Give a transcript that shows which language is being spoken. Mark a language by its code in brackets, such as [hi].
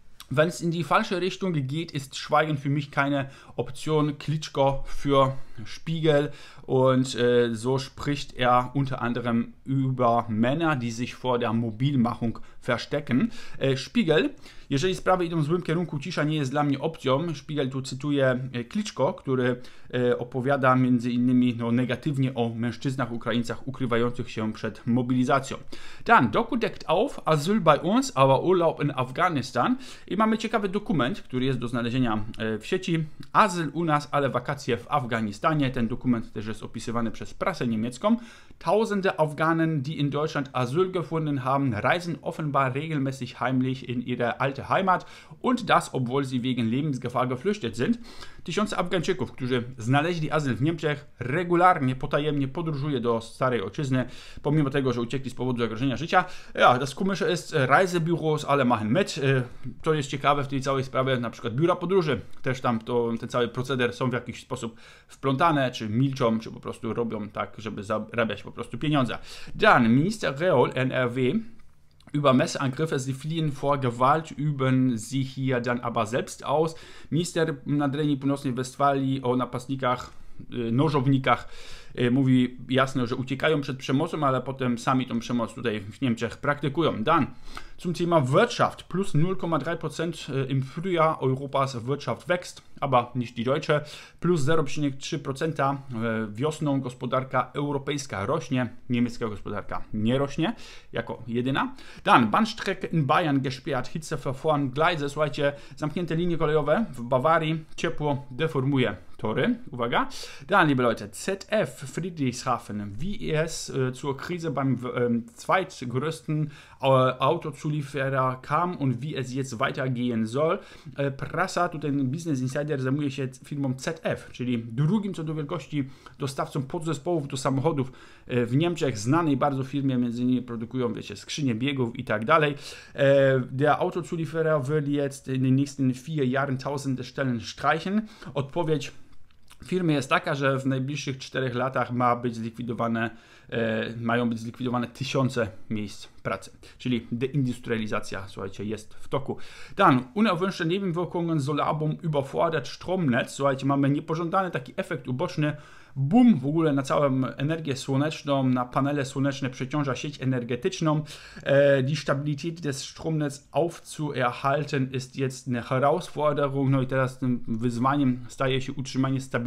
[de] Wenn es in die falsche Richtung geht, ist Schweigen für mich keine Option. Klitschko für Spiegel. Und so spricht er unter anderem über Männer, die sich vor der Mobilmachung verstecken. [pl] Spiegel, jeżeli sprawy idą w złym kierunku, cisza nie jest dla mnie opcją. Spiegel tu cytuje Klitschko, który opowiada m.in. no, negatywnie o mężczyznach Ukraińcach ukrywających się przed mobilizacją. [de] Dann, Doku deckt auf, Asyl bei uns, aber Urlaub in Afghanistan. [pl] I mamy ciekawy dokument, który jest do znalezienia w sieci. Azyl u nas, ale wakacje w Afganistanie. Ten dokument też jest opisywany przez prasę niemiecką. [de] Tausende Afghanen, die in Deutschland Asyl gefunden haben, reisen offenbar regelmäßig heimlich in ihre alte Heimat. Und das, obwohl sie wegen Lebensgefahr geflüchtet sind. [pl] Tysiące Afgańczyków, którzy znaleźli azyl w Niemczech, regularnie, potajemnie podróżuje do starej ojczyzny, pomimo tego, że uciekli z powodu zagrożenia życia. [de] Ja, das komische ist Reisebüros, alle machen mit. [pl] To jest ciekawe w tej całej sprawie, na przykład biura podróży też tam to, ten cały proceder są w jakiś sposób wplątane, czy milczą, czy po prostu robią tak, żeby zarabiać po prostu pieniądze. [de] Dann, Minister Reol, NRW. Über Messeangriffe, sie fliehen vor Gewalt, üben sie hier dann aber selbst aus. [pl] Minister Nadrenii Północnej Westfalii o napastnikach, nożownikach mówi jasno, że uciekają przed przemocą, ale potem sami tą przemoc tutaj w Niemczech praktykują. [de] Dann zum Thema Wirtschaft, [pl] plus 0,3% im Frühjahr Europas Wirtschaft wächst, aber nicht die deutsche, plus 0,3% wiosną gospodarka europejska rośnie, niemiecka gospodarka nie rośnie, jako jedyna. [de] Dann, Bahnstrecke in Bayern gesperrt, Hitze verformt Gleise, [pl] słuchajcie, zamknięte linie kolejowe w Bawarii, ciepło deformuje tory, uwaga. [de] Dann, liebe Leute, ZF Friedrichshafen, wie es zur Krise beim zweitgrößten Autozulieferer kam und wie es jetzt weitergehen soll. [pl] Prasa, tutaj Business Insider, zajmuje się firmą ZF, czyli drugim co do wielkości dostawcą podzespołów do samochodów w Niemczech, znanej bardzo firmie, między innymi produkują, wiecie, skrzynie biegów i tak dalej. [de] Der Autozulieferer will jetzt in den nächsten 4 Jahren tausende Stellen streichen. [pl] Odpowiedź firmy jest taka, że w najbliższych 4 latach ma być zlikwidowane, mają być zlikwidowane tysiące miejsc pracy. Czyli deindustrializacja, słuchajcie, jest w toku. [de] Dann, unerwünschte Nebenwirkungen, Solarboom überfordert Stromnetz. [pl] Słuchajcie, mamy niepożądany taki efekt uboczny. Boom w ogóle na całą energię słoneczną, na panele słoneczne przeciąża sieć energetyczną. [de] Die Stabilität des Stromnetz aufzuerhalten ist jetzt eine Herausforderung. [pl] No i teraz tym wyzwaniem staje się utrzymanie stabilności